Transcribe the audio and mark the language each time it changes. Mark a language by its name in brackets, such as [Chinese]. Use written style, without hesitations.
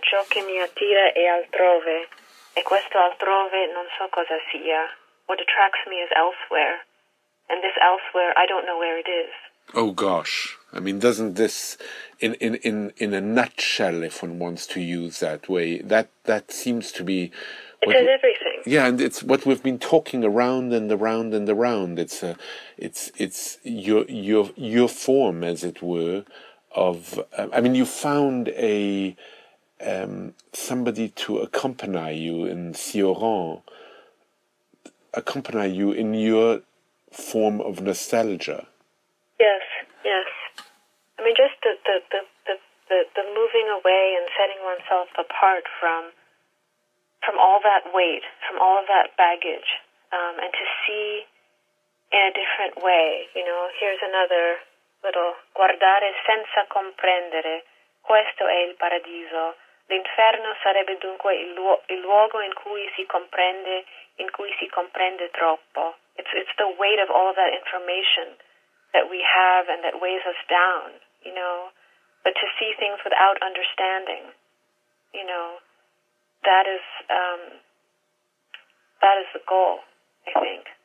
[Italian] Ciò che mi attira è altrove, e questo altrove non so cosa sia. [English] What attracts me is elsewhere, and this elsewhere, I don't know where it is. Oh, gosh. I mean, doesn't this, in a nutshell, if one wants to use that way, that seems to be... It says everything. Yeah, and it's what we've been talking around and around and around. It's your form, as it were, of... I mean, you found a somebody to accompany you in Cioran, accompany you in your form of nostalgia. Yes, yes. I mean, just the moving away and setting oneself apart from all that weight, from all of that baggage, and to see in a different way. You know, here's another little [Italian] guardare senza comprendere. Questo è il paradiso. L'inferno sarebbe dunque il luogo in cui si comprende. In cui si comprende troppo. [English] It's the weight of all of that information that we have and that weighs us down, you know. But to see things without understanding, you know, that is the goal, I think.